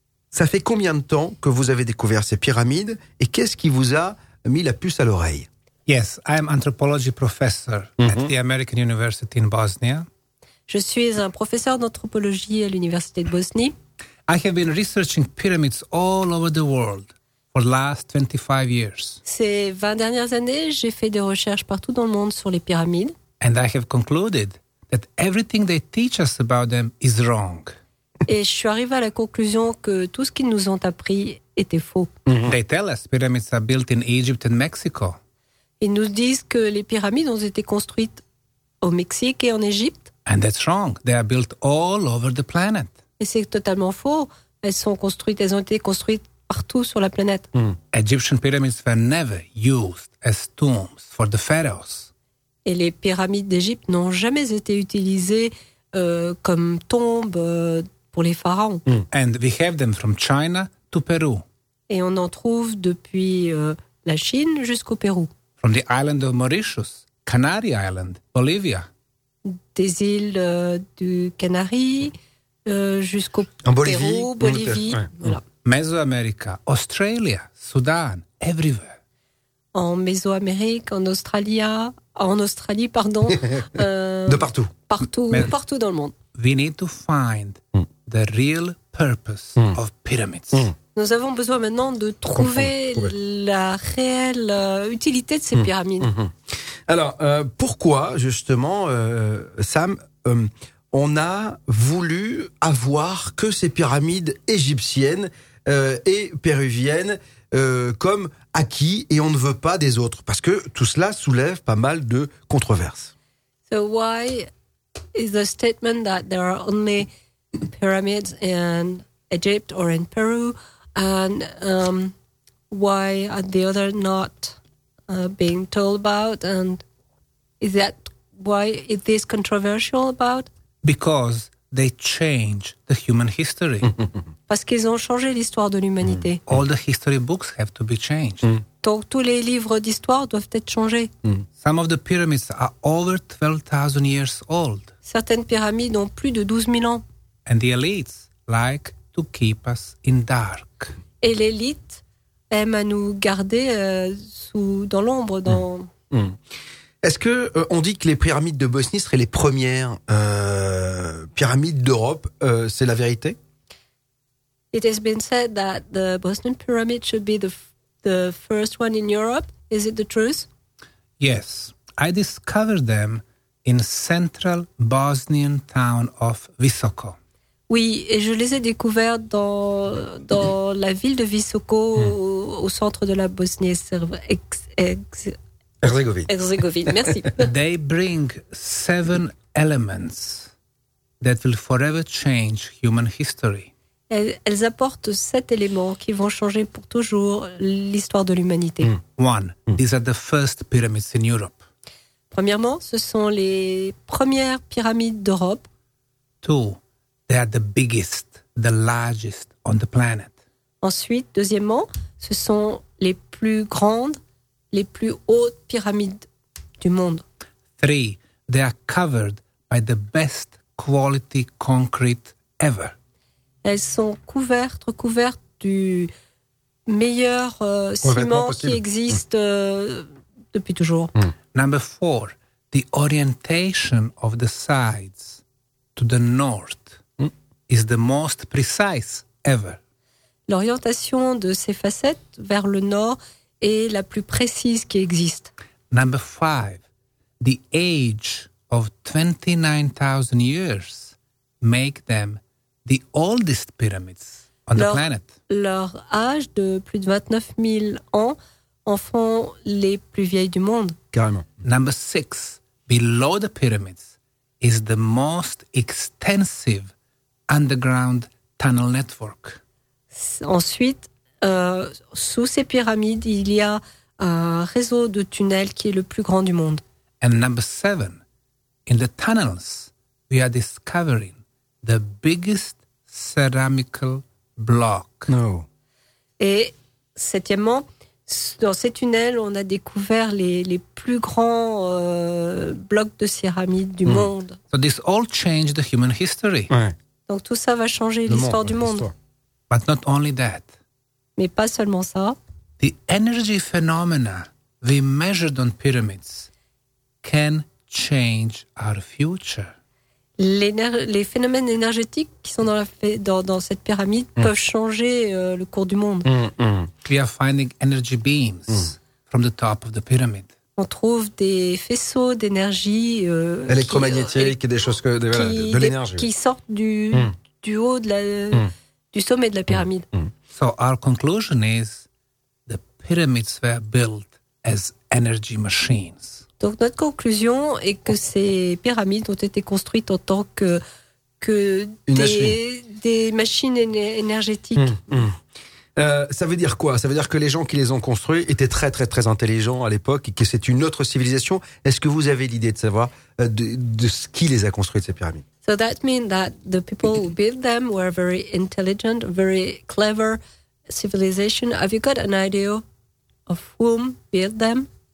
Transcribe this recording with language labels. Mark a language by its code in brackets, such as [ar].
[fr] Ça fait combien de temps que vous avez découvert ces pyramides et qu'est-ce qui vous a mis la puce à l'oreille? [en] Yes, I am anthropology professor at the American University in Bosnia. [fr] Je suis un professeur d'anthropologie à l'université de Bosnie. [en] I have been researching pyramids all over the world. For the last 25 years. [fr] Ces 20 dernières années, j'ai fait des recherches partout dans le monde sur les pyramides. [en] And I have concluded that everything they teach us about them is wrong. [fr] Et je suis arrivé à la conclusion que tout ce qu'ils nous ont appris était faux. Mm-hmm. [en] They tell us pyramids are built in Egypt and Mexico. [fr] Ils nous disent que les pyramides ont été construites au Mexique et en Égypte. [en] And that's wrong. They are built all over the planet. [fr] Et c'est totalement faux. Elles ont été construites partout sur la planète. Mm. [en] Egyptian pyramids were never used as tombs for the pharaohs. [fr] Et les pyramides d'Égypte n'ont jamais été utilisées comme tombes pour les pharaons. Mm. [en] And we have them from China to Peru. [fr] Et on en trouve depuis la Chine jusqu'au Pérou. [en] From the island of Mauritius, Canary Island, Bolivia. [fr] Des îles du Canary jusqu'au en Bolivie, Pérou, Bolivie. Ouais. Voilà. [en] Mesoamérica, Australia, Sudan, everywhere. [fr] En Mesoamérique, en Australie. De partout. Partout dans le monde. [en] We need to find the real purpose of pyramids. [fr] Nous avons besoin maintenant de trouver la réelle utilité de ces pyramides. Alors, pourquoi justement, Sam, on a voulu avoir que ces pyramides égyptiennes et péruviennes comme acquis et on ne veut pas des autres, parce que tout cela soulève pas mal de controverses. [en] So why is the statement that there are only pyramids in Egypt or in Peru and why are the other not being told about, and is that why is this controversial about? Because they change the human history. [fr] Parce qu'ils ont changé l'histoire de l'humanité. Mm. [en] All the history books have to be changed. Mm. [fr] Donc tous les livres d'histoire doivent être changés. Mm. [en] Some of the pyramids are over 12,000 years old. [fr] Certaines pyramides ont plus de 12 000 ans. [en] And the elites like to keep us in dark. [fr] Et l'élite aime à nous garder dans l'ombre. Dans... Mm. Mm. Est-ce que on dit que les pyramides de Bosnie seraient les premières pyramides d'Europe, c'est la vérité? [en] It has been said that the Bosnian pyramid should be the first one in Europe. Is it the truth? Yes. I discovered them in central Bosnian town of Visoko. [fr] Oui, et je les ai découvertes dans la ville de Visoko, au centre de la Bosnie-Herzégovine. Merci. [en] They bring seven elements that will forever change human history. [fr] Elles apportent sept éléments qui vont changer pour toujours l'histoire de l'humanité. [en] These are the first pyramids in Europe. [fr] Premièrement, ce sont les premières pyramides d'Europe. [en] Two, they are the biggest, the largest on the planet. [fr] Ensuite, deuxièmement, ce sont les plus grandes, les plus hautes pyramides du monde. [en] Three, they are covered by the best quality concrete ever. [fr] Elles sont recouvertes du meilleur ciment qui existe depuis toujours. [en] Number four, the orientation of the sides to the north is the most precise ever. [fr] L'orientation de ces facettes vers le nord est la plus précise qui existe. [en] Number five, the age of 29,000 years make them the oldest pyramids on the planet. [fr] Leur âge de plus de 29 000 ans en font les plus vieilles du monde. Carrément. [en] Number six, below the pyramids, is the most extensive underground tunnel network. [fr] Ensuite, sous ces pyramides, il y a un réseau de tunnels qui est le plus grand du monde. [en] And number seven, in the tunnels, we are discovering the biggest ceramical block. No. [fr] Et septièmement, dans ces tunnels, on a découvert les plus grands blocs de céramique du monde. [en] So this all changed the human history. [fr] Ouais. Donc tout ça va changer l'histoire du monde. [en] But not only that. [fr] Mais pas seulement ça. [en] The energy phenomena we measured on pyramids can change our future. [fr] Les phénomènes énergétiques qui sont dans cette pyramide peuvent changer le cours du monde. [en] We are finding energy beams from the top of the pyramid. [fr] On trouve des faisceaux d'énergie électromagnétiques et des choses de l'énergie qui sortent du haut de du sommet de la pyramide. [en] So our conclusion is the pyramids were built as energy machines. [fr] Donc notre conclusion est que ces pyramides ont été construites en tant que des machines énergétiques. Ça veut dire quoi? Ça veut dire que les gens qui les ont construits étaient très très très intelligents à l'époque et que c'est une autre civilisation. Est-ce que vous avez l'idée de savoir de ce qui les a construites ces pyramides? [en] So that means that the people who built them were very intelligent, very clever civilization. Have you got an idea of whom built them?